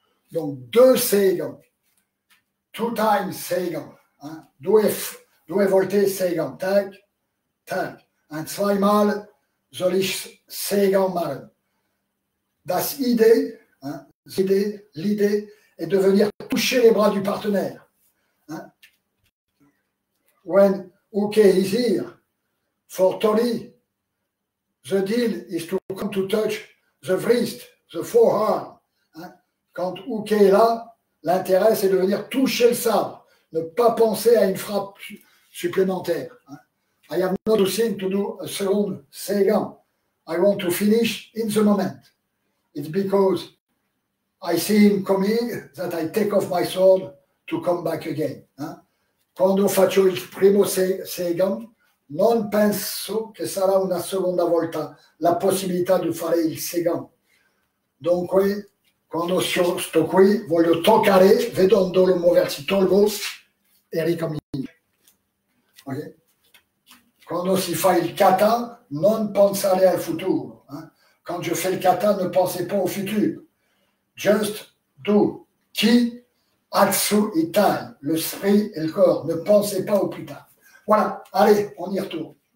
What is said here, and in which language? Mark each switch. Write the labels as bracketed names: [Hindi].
[French] Donc deux Seigan. [English] Two times Seigan. [French] Hein. [Italian] Due volte Seigan. Tac, tac. [German] Un zweimal soll ich Seigan machen. Das Idee, [French] hein, l'idée est de venir toucher les bras du partenaire. Hein. [English] When Ouké is here for Tori, the deal is to come to touch the wrist, the forearm. Hein? [French] Quand Ouké est là, l'intérêt c'est de venir toucher le sabre, ne pas penser à une frappe supplémentaire. [English] Hein? I have no thing to do a second Seigan. I want to finish in the moment. It's because I see him coming that I take off my sword to come back again. Hein? [Italian] Quando faccio il primo Seigan, non penso che sarà una seconda volta la possibilità di fare il Seigan. Dunque, quando sto qui, voglio toccare, vedendolo muoversi, tolgo e ricomincio. Okay? Quando si fa il kata, non pensare al futuro. Hein? [French] Quand je fais le kata, ne pensez pas au futur. [English] Just do. [French] Qui? Atsu et Tai, l'esprit et le corps. Ne pensez pas au plus tard. Voilà, allez, on y retourne.